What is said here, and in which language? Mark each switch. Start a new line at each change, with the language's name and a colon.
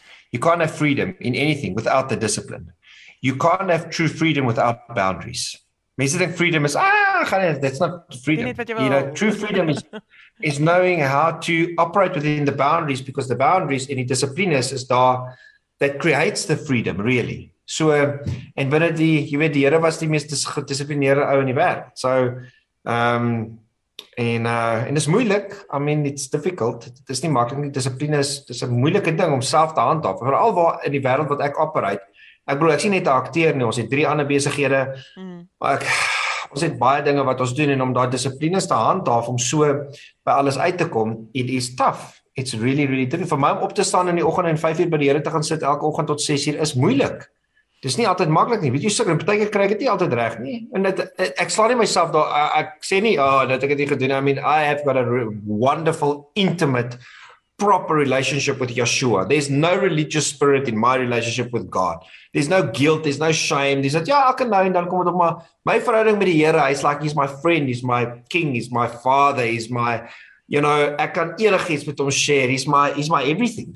English: You can't have freedom in anything without the discipline. You can't have true freedom without boundaries.
Afrikaans: Mense dink
English: freedom is that's not freedom. You know, true freedom is knowing how to operate within the boundaries because the boundaries in die discipline is daar that creates the freedom really.
Afrikaans: So en binne die jy weet die Here was die mees gedissiplineerde ou in die wêreld. So en dis moeilik.
English: I mean it's difficult.
Afrikaans: Dit is nie maklik nie. Disipline is 'n moeilike ding om self te handhaaf veral waar in die wêreld wat ek operate. Ek bedoel, ek sien net 'n akteur nie, ons het 3 ander besighede. Maar ons het baie dinge wat ons doen en om daai dissipline te handhaaf om so by alles uit te kom,
English: it is tough. It's really really tough.
Afrikaans: Vir my om op te staan in die oggend en 5 uur by die Here te gaan sit elke oggend tot 6 uur is moeilik. Dis nie altyd maklik nie. Weet jy, sukkel en partykeer kry ek dit nie altyd reg nie. En dit ek sla nie myself daar ek sê nie, dat ek dit nie gedoen nie.
English: I mean, I have got a wonderful intimate proper relationship with Yeshua. There's no religious spirit in my relationship with God. There's no guilt, there's no shame.
Afrikaans: Dis net ja, ek kan nou en dan kom dit op my verhouding met die Here. Hy's
English: like he's my friend, he's my king, he's my father, he's my you know,
Afrikaans: ek kan enigiets met hom share.
English: He's my everything.